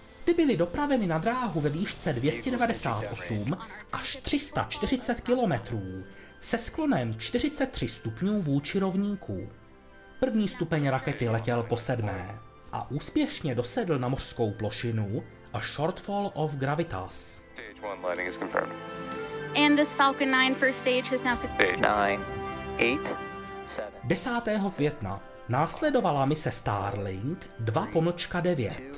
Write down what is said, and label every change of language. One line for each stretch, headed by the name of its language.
Czech: Ty byly dopraveny na dráhu ve výšce 298 až 340 km se sklonem 43 stupňů vůči rovníku. první stupeň rakety letěl po sedmé a úspěšně dosedl na mořskou plošinu A Shortfall of Gravitas.
English: Stage 1 landing is confirmed. And this Falcon 9 first stage has now secured. 9, 8, 7.
Czech: 10. května následovala mise Starlink 2-9.